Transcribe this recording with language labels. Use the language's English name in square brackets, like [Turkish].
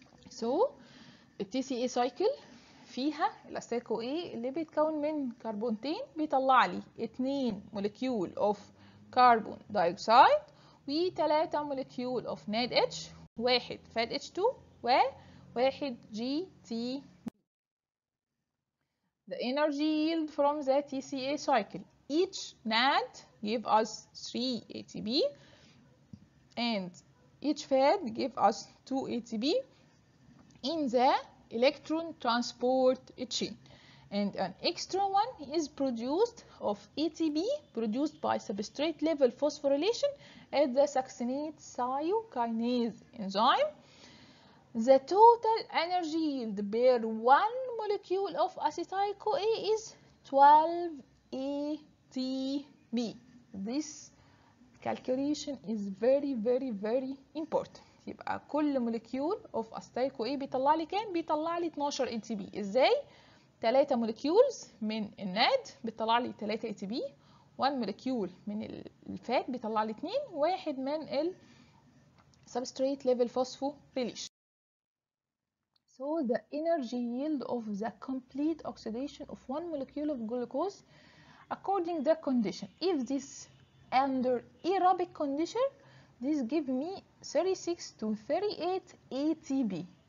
[Arabic] So TCA cycle فيها الأسيتيل كو اي اللي بيتكون من كربونتين بيطلع لي 2 مولكيول اوف كربون دايوكسيد و 3 مولكيول اوف NADH، 1 FADH2 و 1 GTP. [English] the energy yield from the TCA cycle. Each NAD give us 3 ATP and each FAD give us 2 ATP in the electron transport chain. And an extra one is produced of ATP produced by substrate level phosphorylation at the succinate cyokinase enzyme. The total energy yield per one molecule of acetyl CoA is 12 ATP. This calculation is very very very important. [Arabic] يبقى كل مولكيول of acetyl CoA بيطلع لي كام؟ بيطلع لي 12 ATP. ازاي؟ 3 مولكيولز من الناد بيطلع لي 3 ATP، 1 مولكيول من الفات بيطلع لي 2، 1 من ال substrate level phosphorylation. [English] So the energy yield of the complete oxidation of one molecule of glucose according the condition. If this under aerobic condition, this give me 36 to 38 ATP.